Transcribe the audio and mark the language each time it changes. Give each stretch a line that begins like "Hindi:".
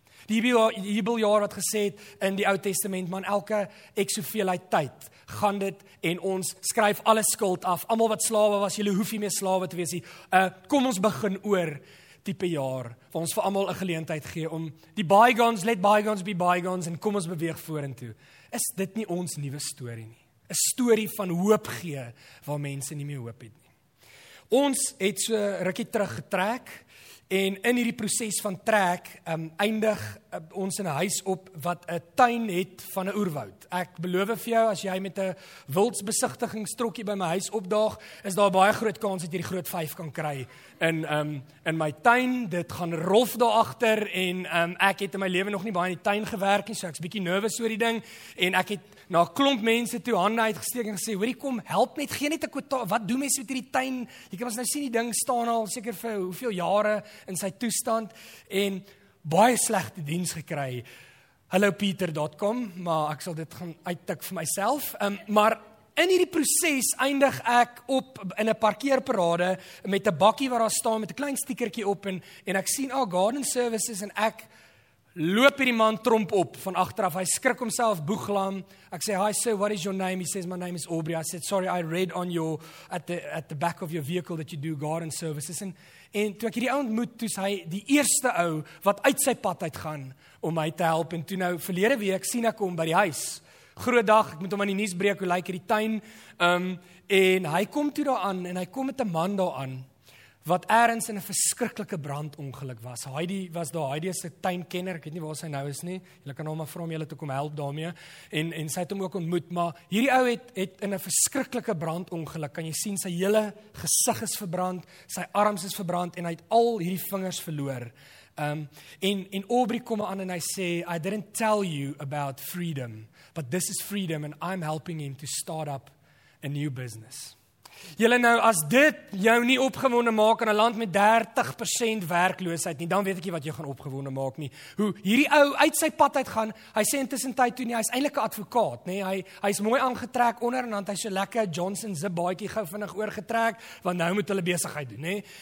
Afrikaans: Die hebeljaar wat gesê het in die Ou Testament, man, elke ek soveelheid tyd gaan dit, en ons skryf alle skuld af. Almal wat slawe was, julle hoef nie meer slawe te wees nie. Kom ons begin oor tipe jaar, waar ons vir almal 'n geleentheid gee om die bygones,
English: let bygones be bygones,
Afrikaans: en kom ons beweeg vorentoe. Is dit nie ons nuwe storie nie? 'N storie van hoop gee waar mense nie meer hoop het nie. Ons het so rukkie terug getrek, en in hierdie proses van trek eindig ons in 'n huis op wat 'n tuin het van 'n oerwoud. Ek beloof vir jou, as jy met 'n wildsbesigtigingstrokkie by my huis opdaag, is daar baie groot kans dat jy die groot 5 kan kry in my tuin. Dit gaan rof daar agter, en ek het in my lewe nog nie baie in die tuin gewerk nie, so ek's bietjie nervous oor die ding, en ek het na 'n klomp mense toe hande uitgesteek en gesê, hoorie, kom help net, gee net 'n kwota, wat doen mense met hierdie tuin? Jy kan ons nou sien, die ding staan al seker vir hoeveel jare in sy toestand, en baie slegte diens gekry. hellopeter.com, maar ek sal dit gaan uittik vir myself. Maar in hierdie proses eindig ek op in 'n parkeerparade met 'n bakkie waar daar staan met 'n klein stiekertjie op, en ek sien Garden Services, en ek loop hierdie man tromp op van agteraf. Hy skrik homself boeglam. Ek sê,
English: hi sir, what is your name? He says, my name is Aubrey. I said, sorry, I read on your at the back of your vehicle that you do garden services.
Afrikaans: En toe ek hierdie ou ontmoet, toe is hy die eerste ou wat uit sy pad uitgaan om my te help. En toe nou verlede week sien ek hom by die huis. Groot dag, ek moet hom aan die nuus breek, hoe lyk hierdie tuin? En hy kom toe daar aan en hy kom met 'n man daar aan wat ergens in 'n verskriklike brandongeluk was. Heidi was daar, Heidi is 'n tuinkenner, ek weet nie waar sy nou is nie. Jy kan hom maar vra om julle toe kom help daarmee. En sy het hom ook ontmoet, maar hierdie ou het in 'n verskriklike brandongeluk, kan jy sien sy hele gesig is verbrand, sy arms is verbrand en hy het al hierdie vingers verloor. En Aubrey kom aan en hy sê,
English: I didn't tell you about freedom, but this is freedom and I'm helping him to start up a new business.
Afrikaans: Julle nou, as dit jou nie opgewonde maak in 'n land met 30% werkloosheid nie, dan weet ek nie wat jou gaan opgewonde maak nie. Hoe hierdie ou uit sy pad uit gaan, hy sê intussen tyd toe nie, hy is eintlik 'n advokaat, nê? Hy is mooi aangetrek onder en dan hy so lekker Johnson Zip baadjie gou vinnig oorgetrek, want nou moet hulle besigheid doen, nê?